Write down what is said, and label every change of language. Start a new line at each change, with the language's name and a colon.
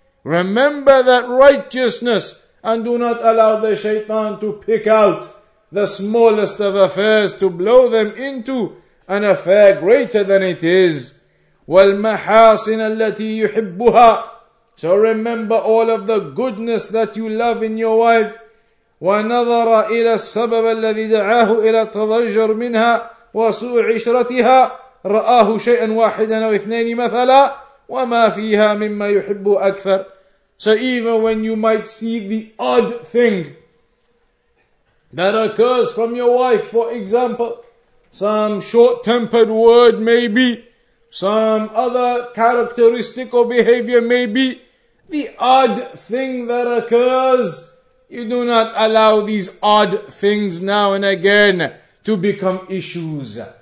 English: Remember that righteousness and do not allow the shaitan to pick out the smallest of affairs to blow them into an affair greater than it is.
Arabic: والمحاسن التي يحبها.
English: So remember all of the goodness that you love in your wife.
Arabic: ونظر إلى السبب الذي دعاه إلى تضجر منها وسوء عشرتها رآه شيئا واحدا أو اثنين مثلا وما فيها مما يحب أكثر.
English: So even when you might see the odd thing that occurs from your wife, for example, some short-tempered word maybe, some other characteristic or behavior maybe, the odd thing that occurs, you do not allow these odd things now and again to become issues.